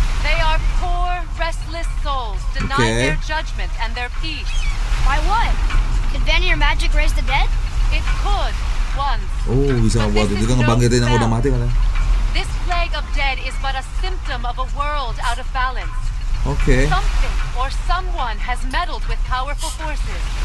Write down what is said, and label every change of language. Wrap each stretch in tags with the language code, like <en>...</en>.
<en>They are poor, restless souls denied their judgment and their peace. By what? Can Vanir magic raise the dead? It could once.</en> <id>Oh, bisa buat itu kan ngebangkitin yang udah mati kan?</id> <en>This plague of dead is but a symptom of a world out of balance. Okay. Something or someone has meddled with powerful forces.</en>